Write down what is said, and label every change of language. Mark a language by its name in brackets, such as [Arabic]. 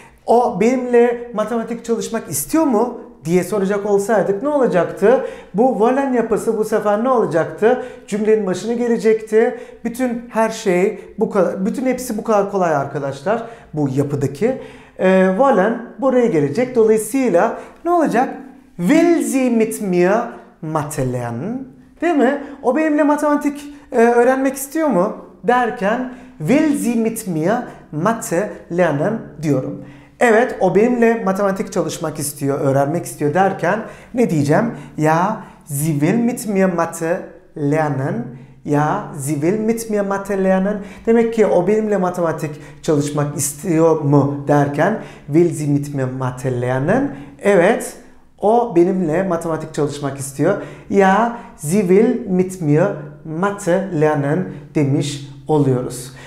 [Turkish] O benimle matematik çalışmak istiyor mu diye soracak olsaydık ne olacaktı? Bu volen yapısı bu sefer ne olacaktı? Cümlenin başına gelecekti. Bütün her şey bu kadar, bütün hepsi bu kadar kolay arkadaşlar. Bu yapıdaki volen buraya gelecek. Dolayısıyla ne olacak? [German] Will sie mit mir Mathe lernen? [Turkish] Değil mi? O benimle matematik öğrenmek istiyor mu derken [German] will sie mit mir Mathe lernen [Turkish] diyorum. Evet, o benimle matematik çalışmak istiyor, öğrenmek istiyor derken ne diyeceğim? [German] Ja, sie will mit mir Mathe lernen. Ja, sie will mit mir Mathe lernen. [Turkish] Demek ki o benimle matematik çalışmak istiyor mu derken [German] will sie mit mir Mathe lernen. [Turkish] Evet, o benimle matematik çalışmak istiyor. [German] Ja, sie will mit mir Mathe lernen [Turkish] demiş oluyoruz.